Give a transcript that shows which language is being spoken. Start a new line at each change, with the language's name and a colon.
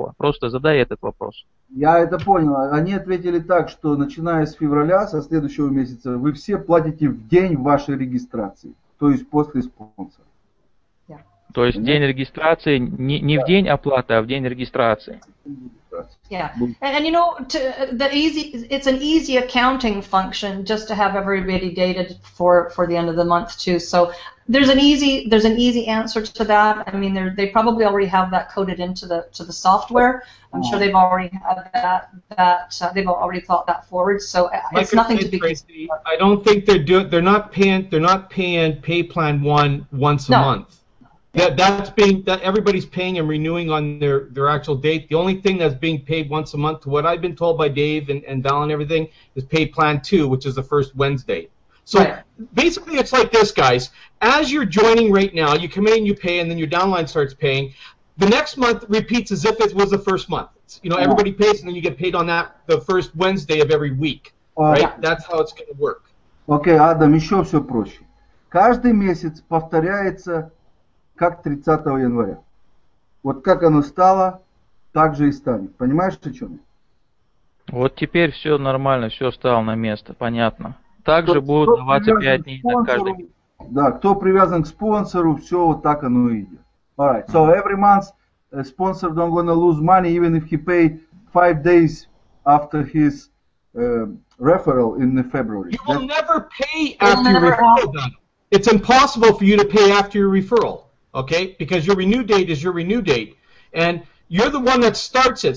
Russian: Просто задай этот вопрос. Я это понял. Они ответили так, что начиная с февраля, со следующего месяца, вы все платите в день вашей регистрации, то есть после спонсора. То есть день регистрации не в день оплаты, а в день регистрации.
English: Yeah, and you know, it's an easy accounting function just to have everybody dated for the end of the month too. So There's an easy answer to that. I mean, they probably already have that coded into the software. I'm sure they've already had that they've already thought that forward. So it's nothing to be concerned about. I don't think they're not paying pay plan one once a month. Everybody's paying and renewing on their actual date. The only thing that's being paid once a month, to what I've been told by Dave and Val and everything, is pay plan two, which is the first Wednesday. So basically it's like this, guys. As you're joining right now, you come in, you pay, and then your downline starts paying. The next month repeats as if it was the first month. You know, everybody pays, and then you get paid on that the first Wednesday of every week. Right? That's how it's going to work.
Russian: Okay, Adam, еще все проще. Каждый месяц повторяется как 30 января. Вот как оно стало, так же и станет. Понимаешь, о чем я? Вот теперь все нормально, все стало на место, понятно. Так же будут даваться 5 дней на каждый месяц. Да, кто привязан к спонсору, все вот так оно и идет.
English: Alright, so every month sponsor don't gonna lose money even if he pay 5 days after his referral in the February. You will never pay after your referral. It's impossible for you to pay after your referral, okay? Because your renew date is your renew date, and you're the one that starts it.